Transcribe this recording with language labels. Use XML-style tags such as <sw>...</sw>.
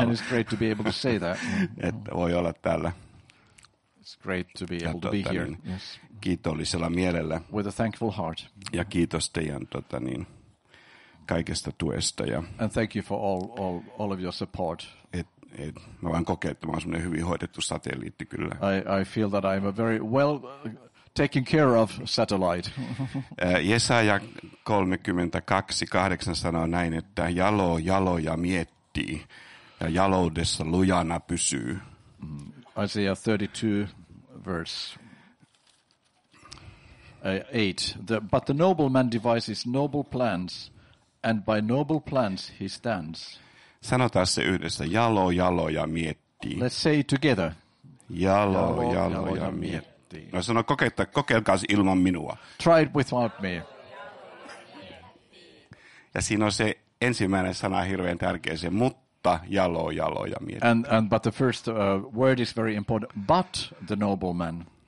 <en>And it's great to be able to say that.</en> <fi>Että voi olla täällä.</fi> <en>It's great to be able to be here. Niin, yes.</en> <fi>Kiitollisella mielellä.</fi> <en>With a thankful heart.</en> <fi>Ja kiitos teidän kaikesta tuesta ja</fi> <en>and thank you for all of your support.</en> <fi>Et mä vaan kokeen, että mä oon semmoinen hyvin hoidettu satelliitti kyllä.</fi> <en>I feel that I'm a very well taken care of satellite.</en> <fi>Jesaja 32:8 sanoo näin, että jaloja miettii ja jaloudessa lujana pysyy.</fi> <en>Isaiah 32:8. But the noble man devises noble plans. And by noble plans he stands.</en> <fi>Sanotaan se yhdessä, jaloja miettii.</fi> <en>Let's say it together.</en> <fi>Jaloja miettii. No sano, kokeilkaas ilman minua.</fi> <en>Try it without me.</en> <fi>Ja siinä on se ensimmäinen sana hirveän tärkeä, se mutta jaloja miettii.</fi> <en>And but the first word is very important, but the noble man.</en>